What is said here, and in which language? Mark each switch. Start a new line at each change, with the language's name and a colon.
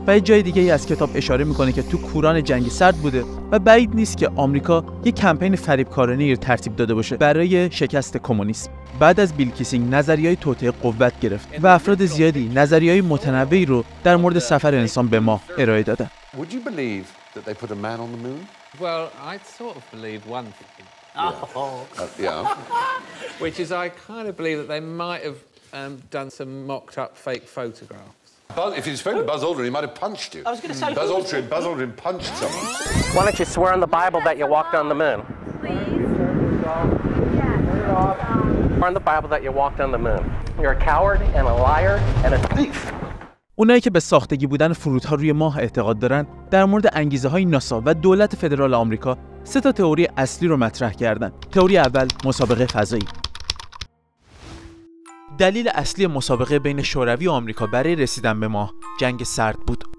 Persian: و یه جای دیگه ای از کتاب اشاره میکنه که تو کوران جنگ سرد بوده و بعید نیست که آمریکا یه کمپین فریبکارانه رو ترتیب داده باشه برای شکست کمونیسم. بعد از بیل کیسینگ نظریه توطئه قوت گرفت و افراد زیادی نظریه متنوعی رو در مورد سفر انسان به ماه ارائه دادن.
English: That they put a man on the moon? Well, I sort of believe one thing. Oh. Yeah. Which is I kind of believe that they might have done some mocked up fake photographs. Buzz, if you'd spoken to Buzz Aldrin, he might have punched you. I was going to say... Buzz Aldrin punched someone. Why don't you swear on the Bible that you walked on the moon? Please. Swear on the Bible that you walked on the moon. You're a coward and a liar and a thief.
Persian: اونایی که به ساختگی بودن فرودها روی ماه اعتقاد دارن در مورد انگیزه های ناسا و دولت فدرال آمریکا 3 تا تئوری اصلی رو مطرح کردن. تئوری اول، مسابقه فضایی. دلیل اصلی مسابقه بین شوروی و آمریکا برای رسیدن به ماه جنگ سرد بود.